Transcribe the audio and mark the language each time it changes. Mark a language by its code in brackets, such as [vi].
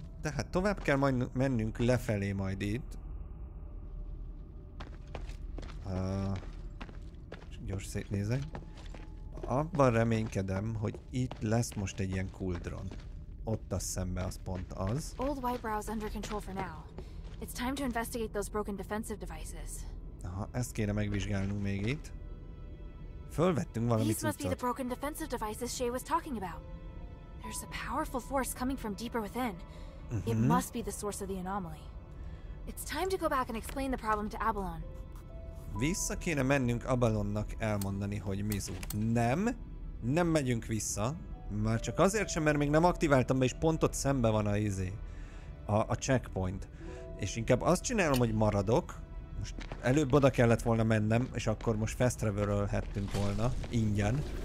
[hu] Tehát tovább kell majd mennünk lefelé majd itt. Gyors szétnézek. Abban reménykedem, hogy itt lesz most egy ilyen cool drone. Ott a szembe az pont az. [en] Old Whitebrow is under control for now. It's time to investigate those broken defensive devices. [hu] Aha, ezt kéne megvizsgálnunk még itt. Fölvettünk valami cuccot. [en] These must be the broken defensive devices Shay was talking about. There's a powerful force coming from deeper within. It must be the source of the anomaly. It's time to go back and explain the problem to Abalon. [hu] Vissza kéne mennünk Abalonnak elmondani, hogy Mizu. Nem, nem megyünk vissza. Már csak azért sem, mert még nem aktiváltam be, és pont ott szembe van a izé. A checkpoint. És inkább azt csinálom, hogy maradok. Most előbb oda kellett volna mennem, és akkor most fast travel-ölhettünk volna ingyen.